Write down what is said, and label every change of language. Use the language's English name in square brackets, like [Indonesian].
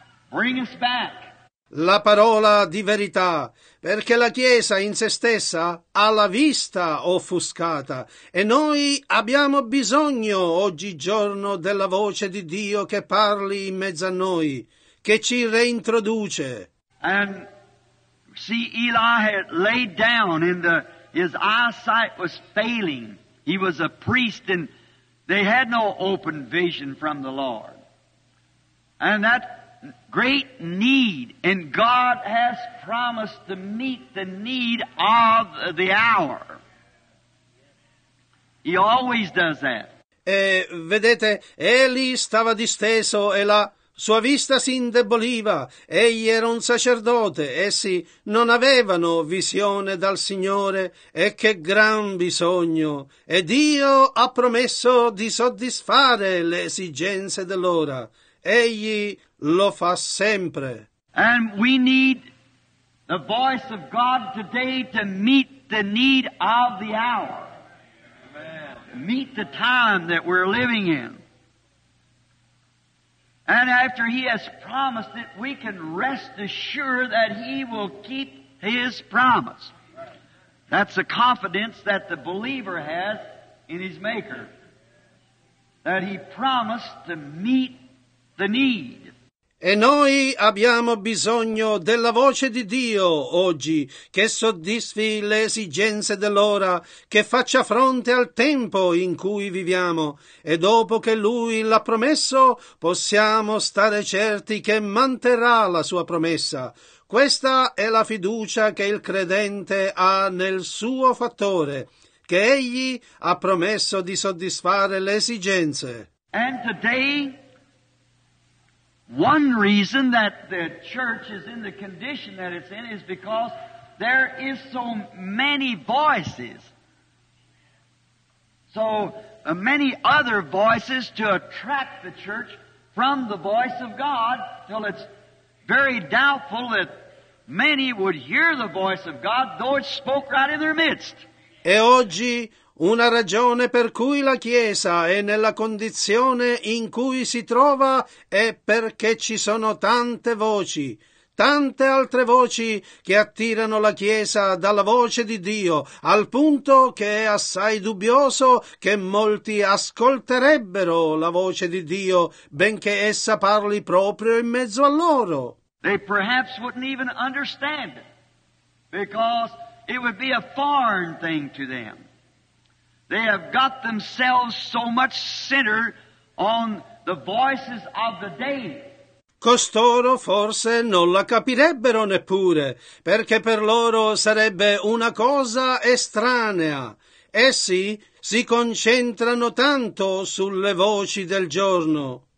[English] Bring us back. [Italian] La parola di verità, perché la Chiesa in se stessa ha la vista offuscata e noi abbiamo bisogno oggigiorno della voce di Dio che parli in mezzo a noi, che ci reintroduce. [English] And see, Eli had laid down and his eyesight was failing. He was a priest and they had no open vision from the Lord. And that great need, and God has promised to meet the need of the hour. He always does that. [Italian] Vedete, Eli stava disteso e la sua vista si indeboliva. Egli era un sacerdote. Essi non avevano visione dal Signore. E che gran bisogno! E Dio ha promesso di soddisfare le esigenze dell'ora. Egli lo fa sempre. [English] And we need the voice of God today to meet the need of the hour. Meet the time that we're living in. And after he has promised it, we can rest assured that he will keep his promise. That's the confidence that the believer has in his Maker, that he promised to meet the need. [Italian] E noi abbiamo bisogno della voce di Dio oggi, che soddisfi le esigenze dell'ora, che faccia fronte al tempo in cui viviamo. E dopo che Lui l'ha promesso, possiamo stare certi che manterrà la sua promessa. Questa è la fiducia che il credente ha nel suo fattore, che egli ha promesso di soddisfare le esigenze. [English] And today, one reason that the church is in the condition that it's in is because there is so many voices. So many other voices to attract the church from the voice of God, till it's very doubtful that many would hear the voice of God, though it spoke right in their midst. [Italian] E oggi una ragione per cui la Chiesa è nella condizione in cui si trova è perché ci sono tante voci, tante altre voci che attirano la Chiesa dalla voce di Dio, al punto che è assai dubbioso che molti ascolterebbero la voce di Dio, benché essa parli proprio in mezzo a loro. [English] They perhaps wouldn't even understand it, because it would be a foreign thing to them. They have got themselves so much centered on the voices of the day. [Italian] Costoro forse non la capirebbero neppure, perché per loro sarebbe una cosa estranea. Essi si concentrano tanto sulle voci del giorno.